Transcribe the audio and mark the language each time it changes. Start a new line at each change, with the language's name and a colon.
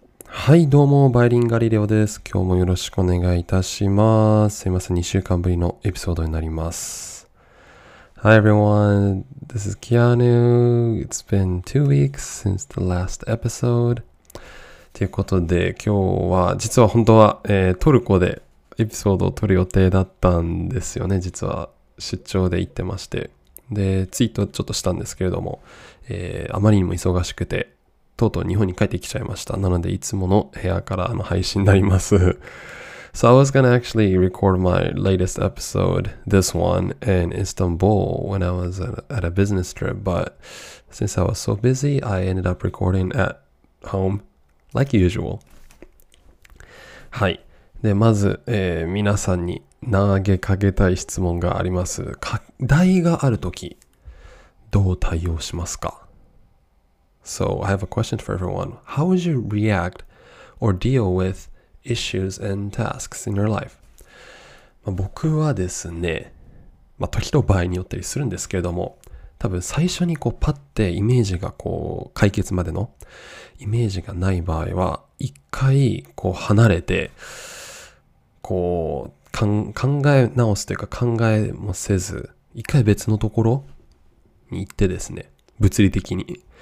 Japanese: はい、どうも、バイリンガリレオです。今日もよろしくお願いいたします。すいません、2週間ぶりのエピソードになります。
English: Hi everyone, this is Keanu. It's been 2 weeks since the last episode.
Japanese: ということで、今日は、実は本当は、トルコでエピソードを撮る予定だったんですよね。実は出張で行ってまして。で、ツイートちょっとしたんですけれども、あまりにも忙しくて、とうとう日本に帰ってきちゃいました。なので、いつもの部屋からの配信になります。
English: So I was gonna actually record my latest episode, this one, in Istanbul when I was at a business trip, but since I was so busy, I ended up recording at home, like usual.
Japanese: はい。で、まず、皆さんに投げかけたい質問があります。課題があるとき、どう対応しますか？
English: So I have a question for everyone. How would you react or deal with issues and tasks in your life?
Japanese: 僕はですね、時と場合によったりするんですけれども、多分最初にこうパッてイメージがこう解決までのイメージがない場合は、一回こう離れてこう考え直すというか考えもせず、一回別のところに行ってですね、物理的に。